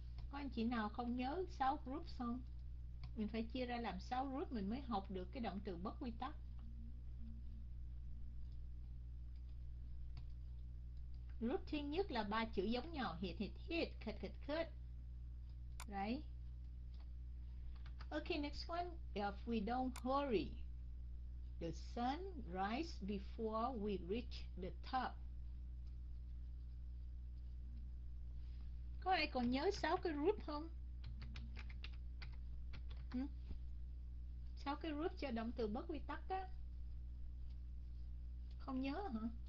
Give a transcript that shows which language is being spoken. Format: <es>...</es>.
<vi>Có anh chị nào không nhớ 6 groups không? Mình phải chia ra làm 6 group mình mới học được cái động từ bất quy tắc. Group thứ nhất là ba chữ giống nhau, hit hit hit, cut cut cut.</vi> <en>Right? Okay, next one. If we don't hurry, the sun rises before we reach the top.</en> <vi>Có ai còn nhớ 6 cái group không? 6 cái group cho động từ bất quy tắc á. Không nhớ hả?</vi>